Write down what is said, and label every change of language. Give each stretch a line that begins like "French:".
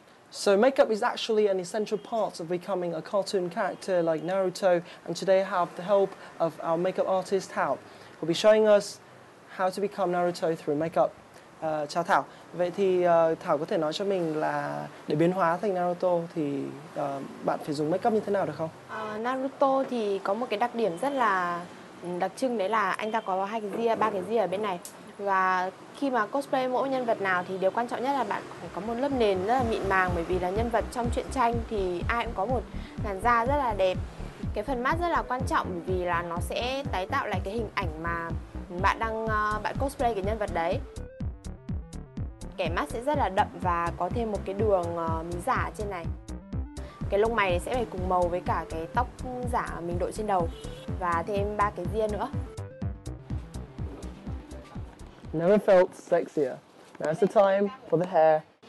English: So makeup is actually an essential part of becoming a cartoon character like Naruto, and today I have the help of our makeup artist Thảo, who'll be showing us how to become Naruto through makeup.
Vietnamese: Chào Thảo. Vậy thì Thảo có thể nói cho mình là để biến hóa thành Naruto thì bạn phải dùng makeup như thế nào được không? Naruto thì có một cái đặc điểm rất là đặc trưng, đấy là anh ta có hai cái ria, ba cái ria ở bên này. Và khi mà cosplay mỗi nhân vật nào thì điều quan trọng nhất là bạn phải có một lớp nền rất là mịn màng, bởi vì là nhân vật trong truyện tranh thì ai cũng có một làn da rất là đẹp. Cái phần mắt rất là quan trọng, bởi vì là nó sẽ tái tạo lại cái hình ảnh mà bạn đang bạn cosplay cái nhân vật đấy. Kẻ mắt sẽ rất là đậm và có thêm một cái đường mí giả trên này. Cái lông mày sẽ phải cùng màu với cả cái tóc giả mình đội trên đầu, và thêm ba cái ria nữa.
English: Never felt sexier. Now's the time for the hair.